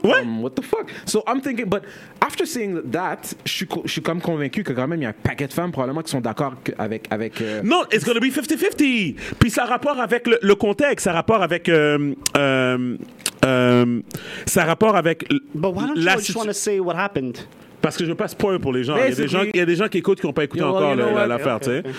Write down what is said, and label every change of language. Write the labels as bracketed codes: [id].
[en] What the fuck? So I'm thinking, but after seeing that, [fr] je suis comme convaincu que quand même il y a un paquet de femmes probablement qui sont d'accord avec. [en] No, it's gonna be 50-50. [fr] Puis ça a rapport avec le contexte, ça a rapport avec ça a rapport avec [en] But why don't you just want to say what happened? [fr] Parce que je veux pas spoil pour les gens. Il y a des gens qui écoutent qui ont pas écouté encore l'affaire, tu sais.